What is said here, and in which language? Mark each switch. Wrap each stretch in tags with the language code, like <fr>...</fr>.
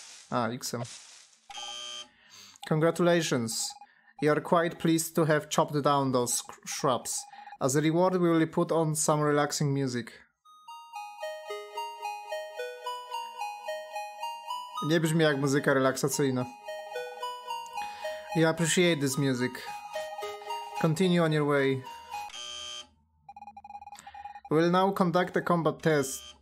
<en>Ah, XM. Congratulations. You are quite pleased to have chopped down those shrubs. As a reward, we will put on some relaxing music.</en> <pl>Nie brzmi jak muzyka relaksacyjna.</pl> <en>You appreciate this music. Continue on your way. We'll now conduct a combat test.</en>